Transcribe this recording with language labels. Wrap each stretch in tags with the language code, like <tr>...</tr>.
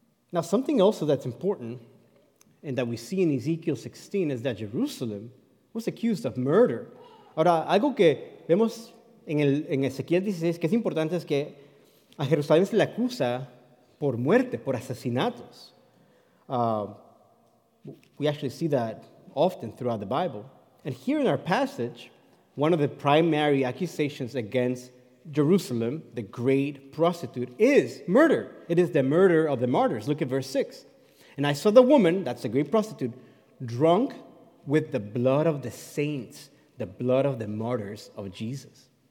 <en>Now, something also that's important and that we see in Ezekiel 16 is that Jerusalem was accused of murder.</en> <es>Ahora, algo que vemos en Ezequiel 16 que es importante es que a Jerusalén se le acusa por muerte, por asesinatos.</es> <en>We actually see that often throughout the Bible. And here in our passage, one of the primary accusations against Jerusalem, the great prostitute, is murder. It is the murder of the martyrs. Look at verse 6. And I saw the woman, that's the great prostitute, drunk with the blood of the saints, the blood of the martyrs of Jesus.</en>